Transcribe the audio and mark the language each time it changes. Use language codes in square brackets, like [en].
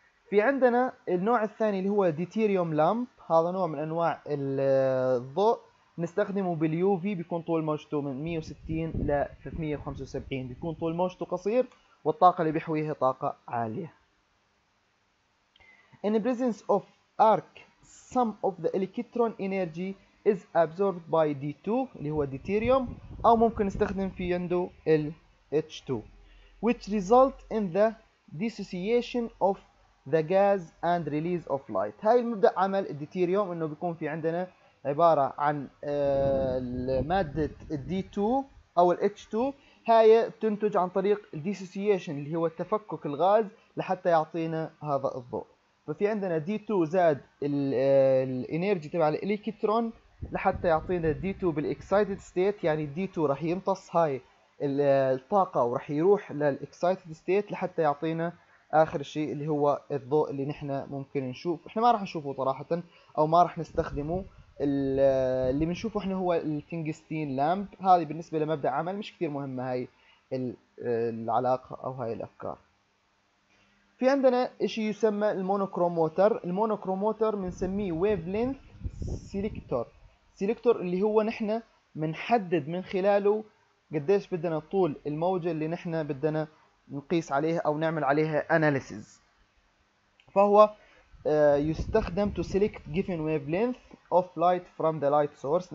[ar] في عندنا النوع الثاني اللي هو ديتيريوم لامب، هذا نوع من انواع الضوء نستخدمه باليو في، بيكون طول موجته من 160 ل 375، بيكون طول موجته قصير والطاقه اللي بيحويها طاقه عاليه. [en] In the presence of arc some of the electron energy is absorbed by D2 [ar] اللي هو ديتيريوم، او ممكن نستخدم في عنده ال [en] H2 which result in the dissociation of the gas and release of light. [ar] هاي المبدا عمل الديتيريوم انه بيكون في عندنا عباره عن ماده الدي 2 او الاتش 2، هاي بتنتج عن طريق الديسوسيشن اللي هو التفكك الغاز لحتى يعطينا هذا الضوء. ففي عندنا دي 2 زاد الانرجي تبع الالكترون لحتى يعطينا دي 2 بالاكسايتد ستيت، يعني دي 2 راح يمتص هاي الطاقه وراح يروح للاكسايتد ستيت لحتى يعطينا اخر شيء اللي هو الضوء اللي نحن ممكن نشوف، احنا ما راح نشوفه صراحه او ما راح نستخدمه. اللي بنشوفه احنا هو التنجستين لامب، هذه بالنسبه لمبدا عمل مش كثير مهمه هاي العلاقه او هاي الافكار. في عندنا شيء يسمى المونوكروموتر، المونوكروموتر بنسميه ويف لينث سيليكتور، سيليكتور اللي هو نحن بنحدد من خلاله قديش بدنا طول الموجه اللي نحن بدنا نقيس عليها او نعمل عليها analysis. فهو يستخدم [en] to select given wavelength of light from the light source.